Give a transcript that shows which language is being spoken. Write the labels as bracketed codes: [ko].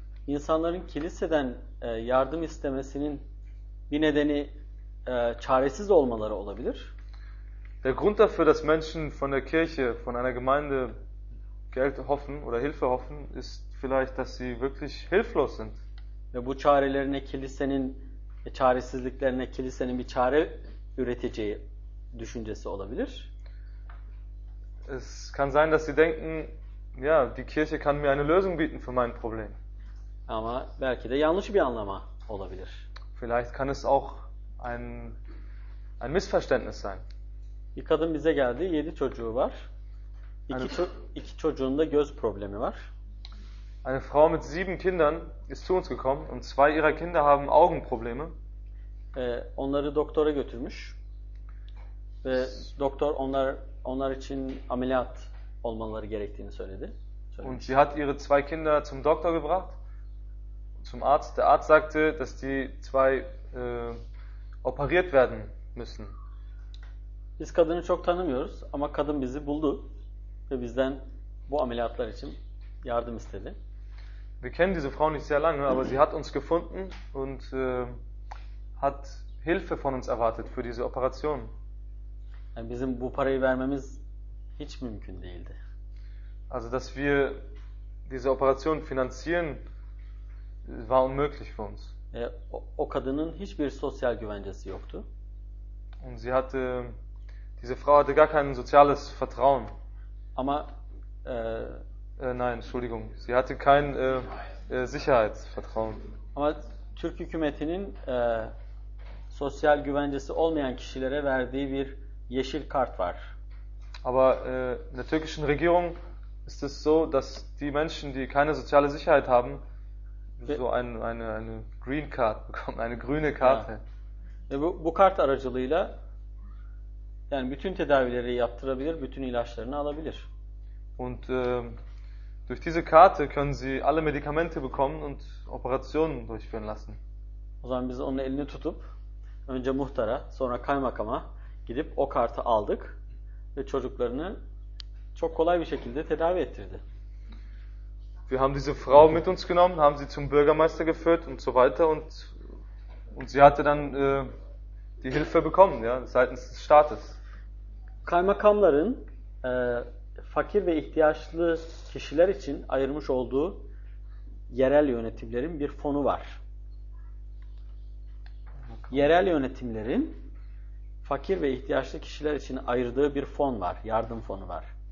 [tr] İnsanların kiliseden yardım istemesinin bir nedeni çaresiz olmaları olabilir. [de] Der Grund dafür, dass Menschen von der Kirche, von einer Gemeinde Geld hoffen oder Hilfe hoffen, ist vielleicht, dass sie wirklich hilflos sind. [tr] Ve bu çarelerine kilisenin, çaresizliklerine kilisenin bir çare üreteceği düşüncesi olabilir. [de] Es kann sein, dass sie denken, ja, die Kirche kann mir eine Lösung bieten für mein Problem. [tr] Ama belki de yanlış bir anlama olabilir. [de] Vielleicht kann es auch ein Missverständnis sein. [tr] Bir kadın bize geldi, 7 çocuğu var. İki çocuğun da göz problemi var. [de] Eine Frau mit 7 Kindern ist zu uns gekommen und 2 ihrer Kinder haben Augenprobleme. [tr] Onları doktora götürmüş. Ve doktor onlar için ameliyat olmaları gerektiğini söyledi. [de] Und sie hat ihre zwei Kinder zum Doktor gebracht, zum Arzt. Der Arzt sagte, dass die zwei operiert werden müssen. [tr] Biz kadını çok tanımıyoruz ama kadın bizi buldu ve bizden bu ameliyatlar için yardım istedi. [de] Wir kennen diese Frau nicht sehr lange, aber sie hat uns gefunden und hat Hilfe von uns erwartet für diese Operation. [tr] Yani bizim bu parayı vermemiz hiç mümkün değildi. [de] Also dass wir diese Operation finanzieren war unmöglich für uns. [tr] O kadının hiçbir sosyal güvencesi yoktu. [de] Und sie hatte diese Frau hatte gar kein soziales Vertrauen. [tr] Ama [de] nein, Entschuldigung, sie hatte kein Sicherheitsvertrauen. [tr] Ama Türk hükümetinin sosyal güvencesi olmayan kişilere verdiği bir yeşil kart var. [de] Aber in der türkischen Regierung ist es so, dass die Menschen, die keine soziale Sicherheit haben, so eine green card bekommen, eine grüne Karte. Ja. [tr] Bu kart aracılığıyla yani bütün tedavileri yaptırabilir, bütün ilaçlarını alabilir. [de] Und durch diese Karte können sie alle Medikamente bekommen und Operationen durchführen lassen. [tr] O zaman biz onun elini tutup önce muhtara, sonra kaymakama gidip o kartı aldık ve çocuklarını çok kolay bir şekilde tedavi ettirdi. [de] Wir haben diese Frau mit uns genommen, haben sie zum Bürgermeister geführt und so weiter und sie hatte dann die Hilfe bekommen, ja, seitens des Staates. [tr] Kaymakamların fakir ve ihtiyaçlı kişiler için ayırmış olduğu yerel yönetimlerin bir fonu var. Yerel yönetimlerin fakir ve ihtiyaçlı kişiler için ayırdığı bir fon var, yardım fonu var.